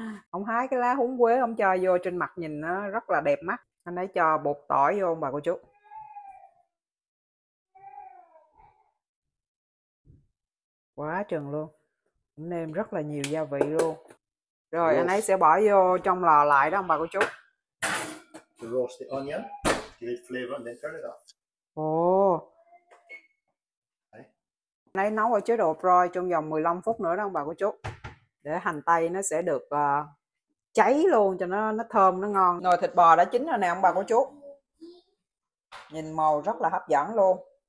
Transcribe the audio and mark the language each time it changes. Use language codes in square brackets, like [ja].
[vi] Ông hái cái lá húng quế ông cho vô trên mặt nhìn nó rất là đẹp mắt. Anh ấy cho bột tỏi vô ông bà cô chú. Quá trần luôn, nêm rất là nhiều gia vị luôn. Rồi anh ấy [en] roast [vi] sẽ bỏ vô trong lò lại đó ông bà cô chú. [en] onion, give it flavor and then turn it off. [vi] Anh ấy nấu ở chế độ fry trong vòng 15 phút nữa đó ông bà cô chú, để hành tây nó sẽ được cháy luôn cho nó thơm nó ngon. Nồi thịt bò đã chín rồi nè ông bà cô chú, nhìn màu rất là hấp dẫn luôn.